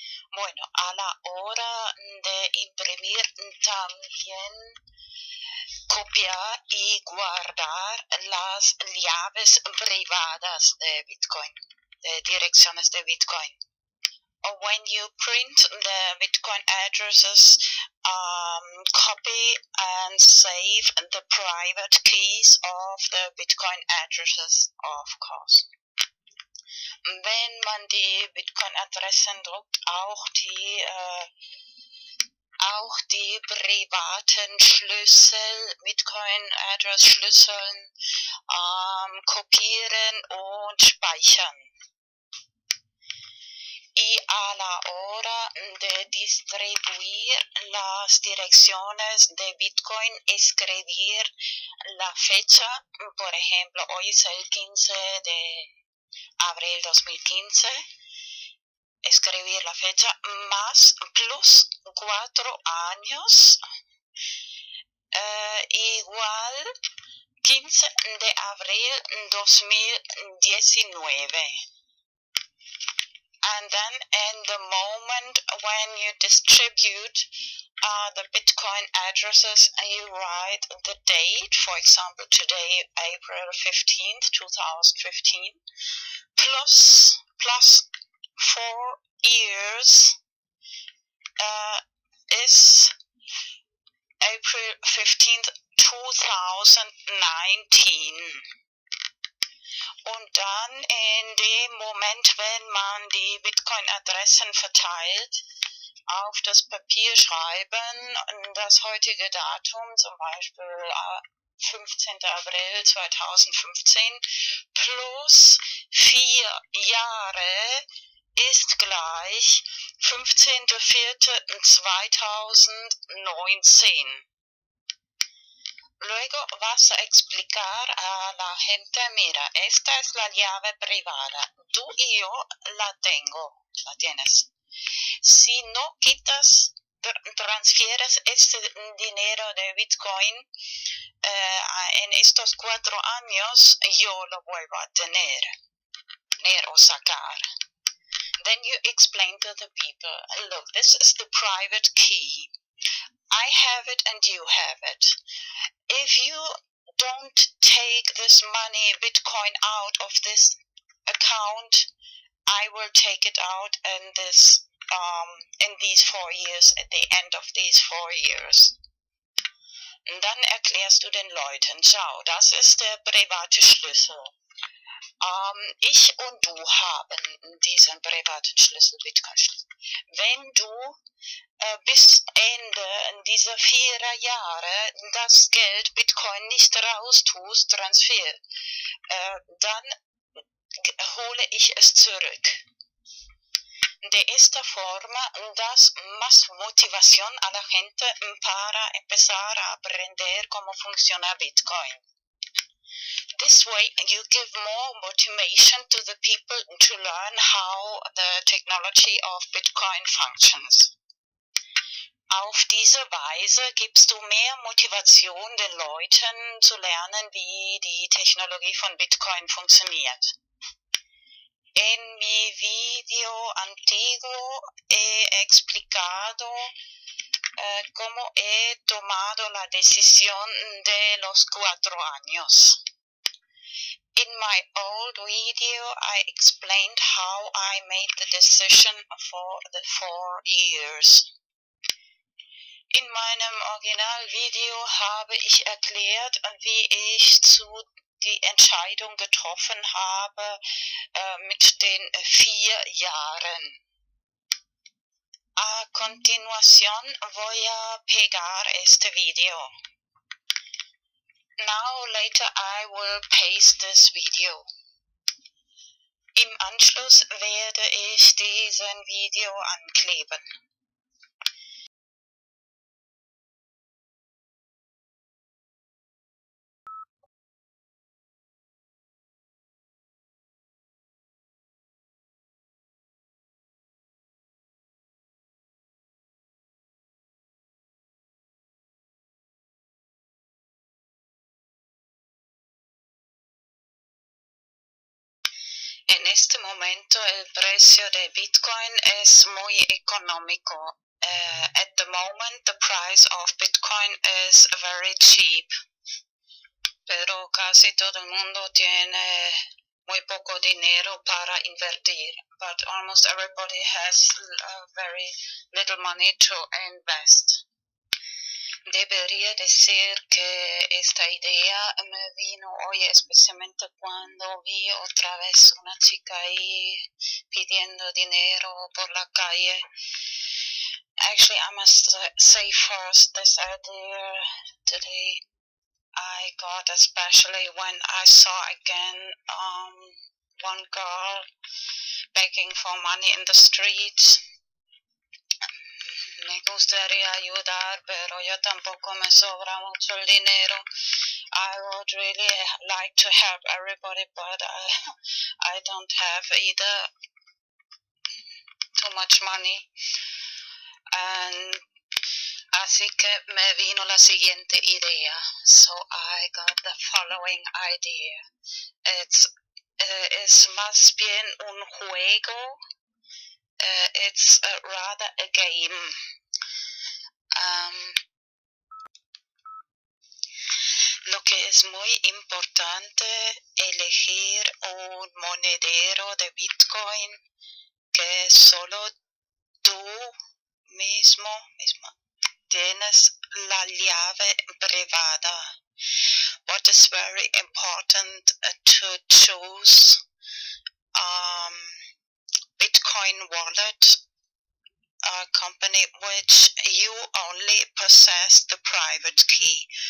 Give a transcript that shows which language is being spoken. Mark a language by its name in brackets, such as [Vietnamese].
[Spanish] Bueno, a la hora de imprimir también copiar y guardar las llaves privadas de Bitcoin, de direcciones de Bitcoin. [English] When you print the Bitcoin addresses, copy and save the private keys of the Bitcoin addresses, of course. [German] Wenn man die Bitcoin-Adressen druckt, auch die auch die privaten Schlüssel, Bitcoin-Address-Schlüsseln kopieren und speichern. [Spanish] Y a la hora de distribuir las direcciones de Bitcoin, escribir la fecha, por ejemplo, hoy es el 15 de abril 2015, escribir la fecha más plus 4 años igual 15 de abril 2019. [English] And then in the moment when you distribute the Bitcoin addresses, you write the date, for example, today, April 15th, 2015, plus 4 years is April 15th, 2019. [German] Und dann in dem Moment, wenn man die Bitcoin-Adressen verteilt, auf das Papier schreiben, das heutige Datum, zum Beispiel 15. April 2015, plus 4 Jahre, ist gleich 15.04.2019. [Spanish] Luego vas a explicar a la gente, mira, esta es la llave privada. Tú y yo la tengo, la tienes. Si no quitas, transfieres este dinero de Bitcoin en estos 4 años, yo lo vuelvo a tener o sacar. [English] Then you explain to the people, look, this is the private key. I have it and you have it. If you don't take this money, Bitcoin, out of this account, I will take it out in this, in these 4 years, at the end of these 4 years. [German] Und dann erklärst du den Leuten, schau, das ist der private Schlüssel. Ich und du haben diesen privaten Schlüssel, Bitcoin-Schlüssel. Wenn du bis Ende dieser 4 Jahre das Geld Bitcoin nicht raustust, Transfer, dann hole ich es zurück. [Spanish] De esta forma das más motivación a la gente para empezar a aprender cómo funciona Bitcoin. [English] This way, you give more motivation to the people to learn how the technology of Bitcoin functions. [German] Auf diese Weise gibst du mehr Motivation den Leuten zu lernen, wie die Technologie von Bitcoin funktioniert. [Spanish] En mi video antiguo he explicado cómo he tomado la decisión de los 4 años. [English] In my old video, I explained how I made the decision for the 4 years. [German] In meinem Originalvideo habe ich erklärt, wie ich zu die Entscheidung getroffen habe mit den 4 Jahren. [Spanish] A continuación voy a pegar este video. [English] Now, later, I will paste this video. [German] Im Anschluss werde ich diesen Video ankleben. [Spanish] En este momento el precio de Bitcoin es muy económico. [English] At the moment the price of Bitcoin is very cheap. [Spanish] Pero casi todo el mundo tiene muy poco dinero para invertir. [English] But almost everybody has very little money to invest. [Spanish] Debería decir que esta idea me vino hoy especialmente cuando vi otra vez una chica ahí pidiendo dinero por la calle. [English] Actually, I must say first, this idea today I got, especially when I saw again one girl begging for money in the streets. [Spanish] Me gustaría ayudar, pero yo tampoco me sobra mucho el dinero. [English] I would really like to help everybody, but I don't have either too much money. [Spanish] And así que me vino la siguiente idea. [English] So I got the following idea. It's [Spanish] más bien un juego. [English] It's rather a game. [Spanish] Lo que es muy importante, elegir un monedero de Bitcoin que solo tú mismo tienes la llave privada. [English] What is very important to choose Bitcoin wallet, a company which you only possess the private key.